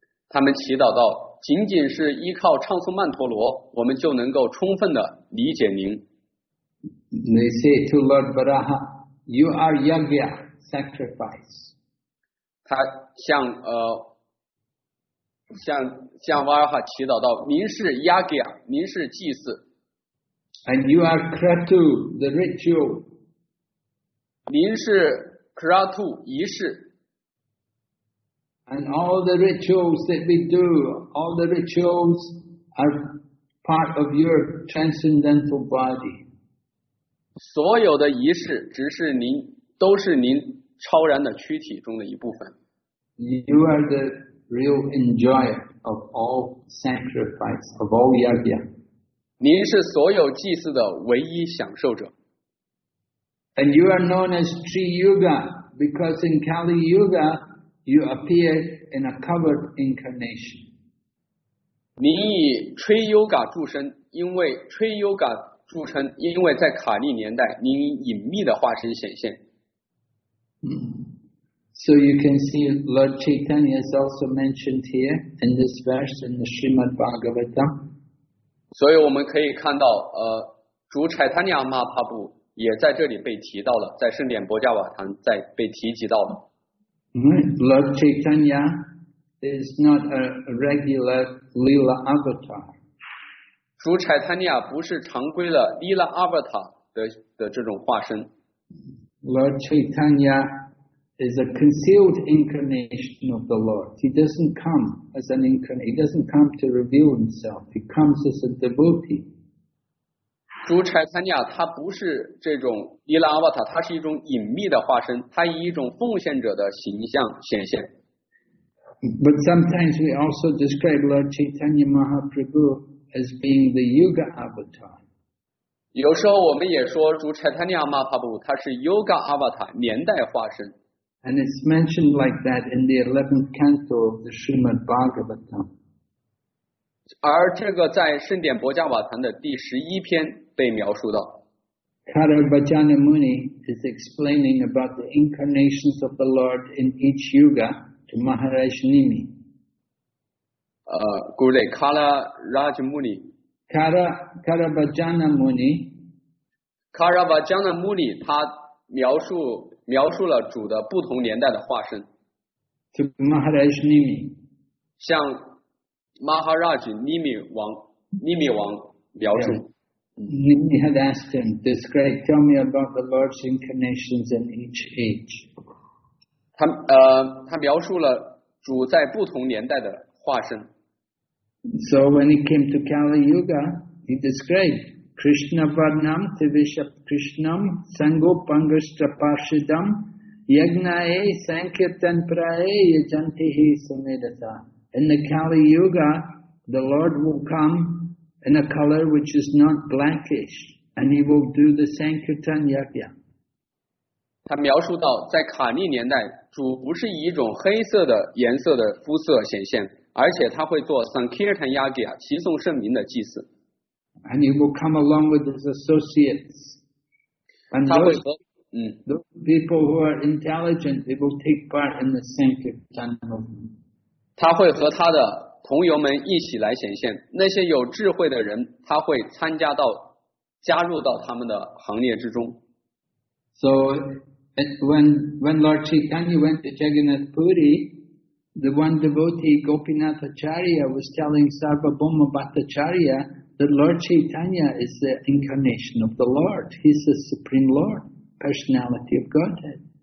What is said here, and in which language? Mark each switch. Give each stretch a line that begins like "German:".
Chinese: 他们祈祷道，仅仅是依靠唱诵曼陀罗，我们就能够充分的理解您。
English: They say to Lord Varaha, "You are yagya sacrifice."
Chinese: 他向向瓦尔哈祈祷道：“您是 yagya， 您是祭祀。
English: ”And you are kratu the ritual.
Chinese: 您是 kratu 仪式。
English: And all the rituals that we do, all the rituals are part of your transcendental body.
Chinese: 所有的仪式只是您，都是您超然的躯体中的一部分。
English: You are the real enjoyer of all sacrifice of all yajna.
Chinese: 您是所有祭祀的唯一享受者。
English: And you are known as Tri Yuga because in Kali Yuga you appear in a covered incarnation.
Chinese: 您以 Tri Yuga 著称，因为 Tri Yuga。著称，因为在卡利年代，您隐秘的化身显现。
English: So you can see Lord Chaitanya is also mentioned here in this verse in the Srimad Bhagavatam.
Chinese: 所以我们可以看到，主柴塔尼亚马帕布也在这里被提到了，在圣典博加瓦坛在被提及到了。
English: Lord Chaitanya is not a regular Lila avatar.
Chinese: 主柴塔尼亚不是常规的 Lila Avatar 的这种化身。
English: Lord Chaitanya is a concealed incarnation of the Lord. He doesn't come as an incarnation. He doesn't come to reveal himself. He comes as a devotee.
Chinese: 主柴塔尼亚他不是这种 Lila Avatar， 他是一种隐秘的化身，他以一种奉献者的形象显现。
English: But sometimes we also describe Lord Chaitanya Mahaprabhu. As being the Yuga Avatar.
Chinese: 有时候我们也说主柴塔尼亚马帕布他是 Yuga Avatar 年代化身。
English: And it's mentioned like that in the 11th canto of the Srimad Bhagavatam.
Chinese: 而这个在圣典博加瓦坛的第十一篇被描述到。
English: Karavajana Muni is explaining about the incarnations of the Lord in each Yuga to Maharaj Nimi. Gurudev Kala Raj Muni. Karavajana Muni.
Chinese: Karavajana Muni, 他描述了主的不同年代的化身。
English: To Maharaj Nimi.
Chinese: 向 Maharaj Nimi王描述。
English: Nimi had asked him, describe, tell me about the Lord's incarnations in each age.
Chinese: 他描述了主在不同年代的化身。
English: So when he came to Kali Yuga, he described
Sanskrit: Krishna Varnam Tivishap Krishnam Sangopangastraparshidam Yagnae Sankirtanprae Yajantihi Samedata.
English: In the Kali Yuga, the Lord will come in a color which is not blackish, and he will do the Sankirtan Yajna.
Chinese: 他描述到，在卡利年代，主不是以一种黑色的颜色的肤色显现，而且他会做 Sankirtan Yajna 提颂圣名的祭祀。
English: And he will come along with his associates. And those people who are intelligent, they will take part in the Sankirtan movement.
Chinese: 他会和他的同游们一起来显现。那些有智慧的人，他会参加到、加入到他们的行列之中。
English: So when Lord Chaitanya went to Jagannath Puri, the one devotee Gopinath Acharya was telling Sarvabhauma Bhattacharya that Lord Chaitanya is the incarnation of the Lord. He's the Supreme Lord, personality of Godhead.